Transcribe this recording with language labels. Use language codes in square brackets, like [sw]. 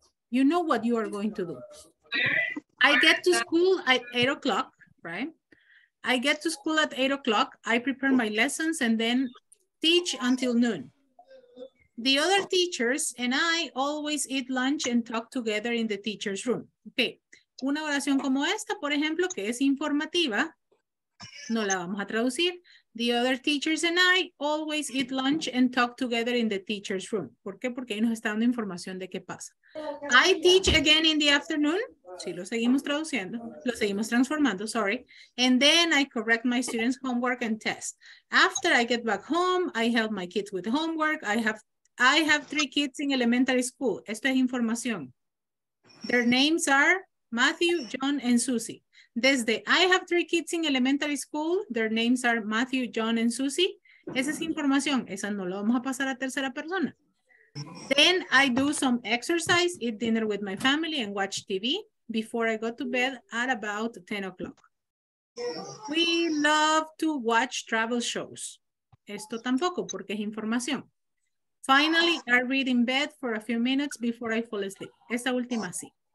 [en] You know what you are going to do. I get to school at 8 o'clock, right? I get to school at 8 o'clock. I prepare my lessons and then teach until noon. The other teachers and I always eat lunch and talk together in the teacher's room. [es] Okay, una oración como esta, por ejemplo, que es informativa, no la vamos a traducir. [en] The other teachers and I always eat lunch and talk together in the teacher's room. [es] ¿Por qué? Porque ahí nos está dando información de qué pasa. [en] I teach again in the afternoon. [es] Sí, lo seguimos traduciendo. Lo seguimos transformando, [en] sorry. And then I correct my students' homework and test. After I get back home, I help my kids with homework. I have three kids in elementary school. [es] Esto es información. [en] Their names are Matthew, John, and Susie. Desde I have three kids in elementary school, their names are Matthew, John, and Susie. [es] Esa es información, esa no la vamos a pasar a tercera persona. [en] Then I do some exercise, eat dinner with my family, and watch TV before I go to bed at about 10 o'clock. We love to watch travel shows. [es] Esto tampoco, porque es información. [en] Finally, I read in bed for a few minutes before I fall asleep. [es] Esa última sí.